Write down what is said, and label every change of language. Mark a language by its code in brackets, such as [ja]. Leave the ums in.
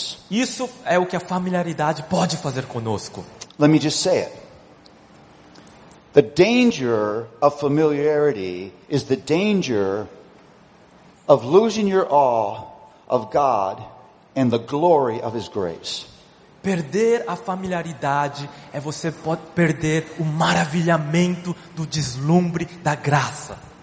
[pt] Isso é o que a familiaridade pode fazer conosco. [en] Let me just say it. The danger of familiarity is the danger of losing your awe of God and the glory of his grace. [pt] Perder a familiaridade é você pode perder o maravilhamento do deslumbre da graça.